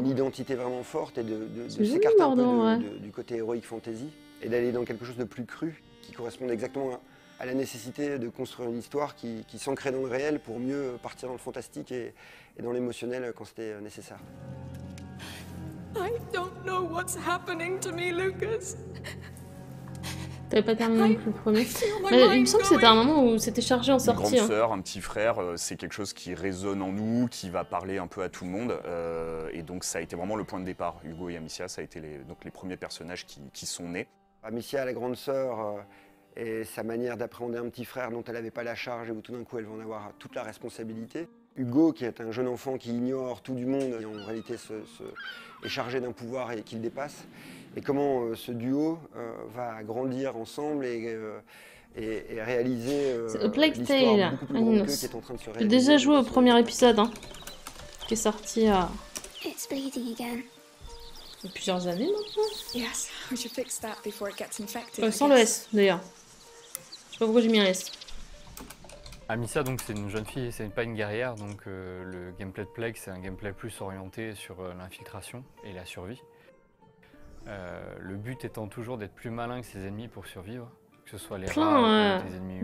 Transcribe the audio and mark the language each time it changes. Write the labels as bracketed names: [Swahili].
[French] Une identité vraiment forte, et de s'écarter Bordeaux, un peu ouais. du côté héroïque fantasy, et d'aller dans quelque chose de plus cru, qui correspond exactement à la nécessité de construire une histoire qui s'ancrait dans le réel pour mieux partir dans le fantastique et dans l'émotionnel quand c'était nécessaire. [English] I don't know what's happening to me, Lucas. [French] T'avais pas terminé le premier. Mais il me semble que c'était un moment où c'était chargé en sortie. Une grande sœur, un petit frère, c'est quelque chose qui résonne en nous, qui va parler un peu à tout le monde. Et donc ça a été vraiment le point de départ. Hugo et Amicia, ça a été les premiers personnages qui sont nés. Amicia, la grande sœur, et sa manière d'appréhender un petit frère dont elle n'avait pas la charge et où tout d'un coup elle va en avoir toute la responsabilité. Hugo, qui est un jeune enfant qui ignore tout du monde et en réalité est chargé d'un pouvoir et qu'il dépasse. Et comment ce duo va grandir ensemble et réaliser l'histoire beaucoup plus grande qui est en train de se réaliser. J'ai déjà joué au premier épisode, qui est sorti à... [English] It's bleeding again. [French] Il y a plusieurs années maintenant. [English] Yes, we should fix that before it gets infected. [French] Sans le S, d'ailleurs. Je sais pas pourquoi j'ai mis un S. Amicia, donc, c'est une jeune fille, c'est pas une guerrière, donc le gameplay de Plague, c'est un gameplay plus orienté sur l'infiltration et la survie. Le but étant toujours d'être plus malin que ses ennemis pour survivre, que ce soit les rats ou les ennemis humains.